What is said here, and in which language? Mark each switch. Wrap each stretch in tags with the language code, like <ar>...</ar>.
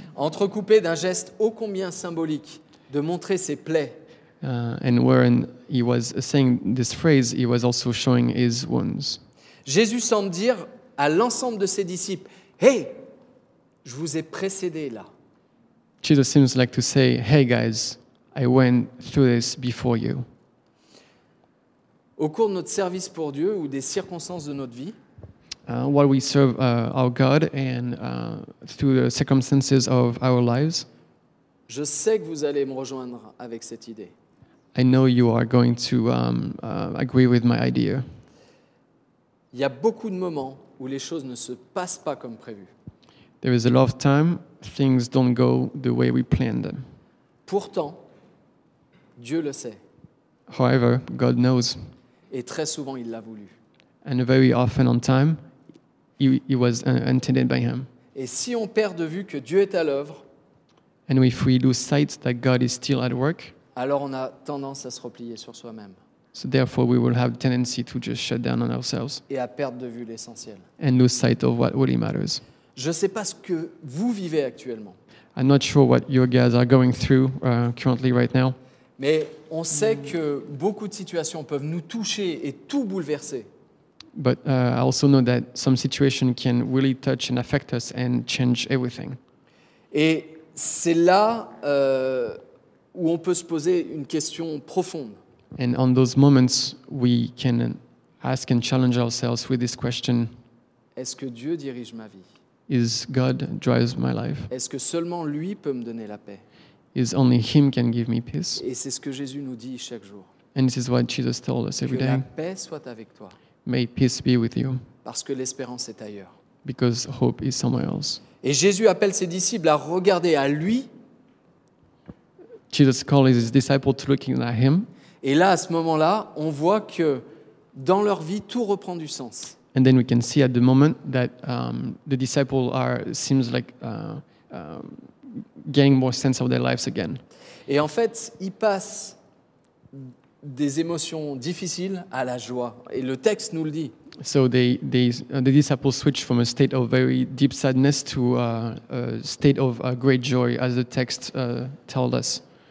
<fr>Entrecoupé d'un geste ô combien symbolique de montrer ses plaies.</fr> <en>And when he was saying this phrase, he was also showing his wounds.</en> <fr>Jésus semble dire à l'ensemble de ses disciples, « Hey, je vous ai précédé là. »</fr> <en>Jesus seems like to say, hey guys, I went through this before you.</en> <fr>Au cours de notre service pour Dieu ou des circonstances de notre vie,</fr> <en>while we serve our God and through the circumstances of our lives,</en> <fr>je sais que vous allez me rejoindre avec cette idée.</fr> <en>I know you are going to agree with my idea.</en> <fr>Il y a beaucoup de moments où les choses ne se passent pas comme prévu.</fr> <en>There is a lot of time things don't go the way we planned them.</en> <fr>Pourtant, Dieu le sait.</fr> <en>However, God knows.</en> <fr>Et très souvent, il l'a voulu.</fr> <en>And very often on time, it was intended by him.</en> <fr>Et si on perd de vue que Dieu est à l'œuvre,</fr> <en>and if we lose sight that God is still at work,</en> <fr>alors on a tendance à se replier sur soi-même.</fr> <en>So therefore, we will have a tendency to just shut down on ourselves.</en> <fr>Et à perdre de vue l'essentiel.</fr> <en>And lose sight of what really matters.</en> <fr>Je ne sais pas ce que vous vivez actuellement.</fr> <en>I'm not sure what you guys are going through currently right now.</en> <fr>Mais on sait que beaucoup de situations peuvent nous toucher et tout bouleverser.</fr> <en>But I also know that some situation can really touch and affect us and change everything.</en> <fr>Et c'est là où on peut se poser une question profonde.</fr> <en>And on those moments, we can ask and challenge ourselves with this question.</en> <fr>Est-ce que Dieu dirige ma vie?</fr> <en>Is God drives my life?</en> <fr>Est-ce que seulement lui peut me donner la paix?</fr> <en>Is only him can give me peace?</en> <fr>Et c'est ce que Jésus nous dit chaque jour.</fr> <en>And this is what Jesus told us every day.</en> <fr>Que la paix soit avec toi.</fr> <en>May peace be with you.</en> <fr>Parce que l'espérance est ailleurs.</fr> <en>Because hope is somewhere else.</en> <fr>Et Jésus appelle ses disciples à regarder à lui.</fr> <en>Jesus calls his disciples to looking at him.</en> <fr>Et là, à ce moment-là, on voit que dans leur vie, tout reprend du sens.</fr> <en>And then we can see at the moment that the disciples are seems like getting more sense of their lives again.</en> <fr>Et en fait, ils passent des émotions difficiles à la joie. Et le texte nous le dit.</fr> <en>So the disciples switch from a state of very deep sadness to a state of great joy, as the text told us.</en>